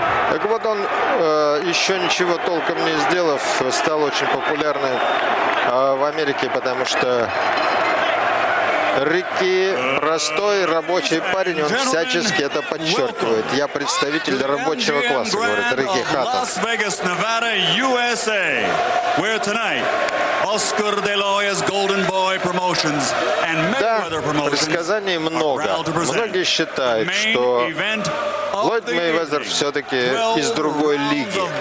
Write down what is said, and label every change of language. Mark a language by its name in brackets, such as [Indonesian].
[Russian] Так вот, он, еще ничего толком не сделав, стал очень популярным в Америке, потому что Рикки простой рабочий парень, он всячески это подчеркивает. Я представитель рабочего класса, говорит Рикки Хаттон. [English] Лас-Вегас, Невада, USA, where tonight Oscar De La Hoya's Golden Boy Promotions and Mayweather Promotions. [Russian] Предсказаний много. Многие считают, что Флойд Мейвезер все-таки из другой лиги.